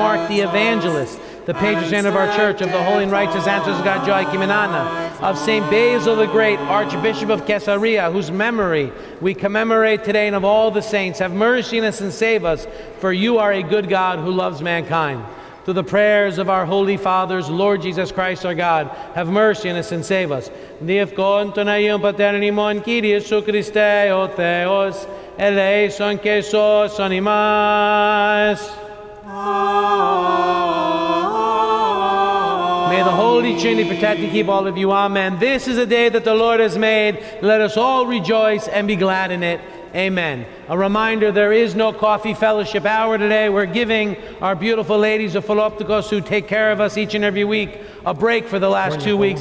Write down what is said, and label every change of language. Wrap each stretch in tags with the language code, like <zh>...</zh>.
<en>Mark the Evangelist, the patron of our church, of the holy and righteous ancestors of God, Joachim and Anna, of St. Basil the Great, Archbishop of Caesarea, whose memory we commemorate today, and of all the saints, have mercy on us and save us, for you are a good God who loves mankind. Through the prayers of our holy fathers, Lord Jesus Christ our God, have mercy on us and save us.</en> <el>Διευκόντων Αγίων Πατέρων ημών, Κύριε Ιησού Χριστέ, ο Θεός, ελέησον και σώσον ημάς.</el> <en>May the Holy Trinity protect and keep all of you. Amen. This is a day that the Lord has made. Let us all rejoice and be glad in it. Amen. A reminder, there is no coffee fellowship hour today. We're giving our beautiful ladies of Philoptikos who take care of us each and every week a break for the last 2 weeks.</en>